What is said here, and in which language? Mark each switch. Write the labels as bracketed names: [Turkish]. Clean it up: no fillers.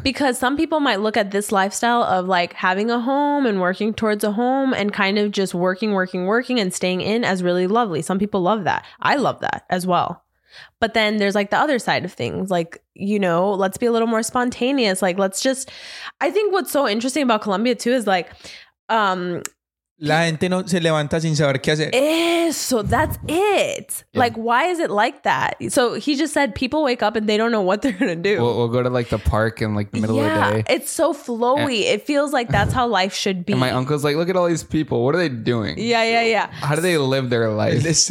[English] Because some people might look at this lifestyle of like having a home and working towards a home and kind of just working and staying in as really lovely. Some people love that. I love that as well. But then there's like the other side of things, like, you know, let's be a little more spontaneous. Like, let's just, I think what's so interesting about Colombia too is like, [Spanish] la gente no se levanta sin saber qué hacer. [English] Eso, that's it. Yeah. Like, why is it like that? So he just said people wake up and they don't know what they're going do. We'll go to like the park in like the middle of the day. It's so flowy. Yeah. It feels like that's how life should be. And my uncle's like, look at all these people. What are they doing? Yeah. How do they live their life?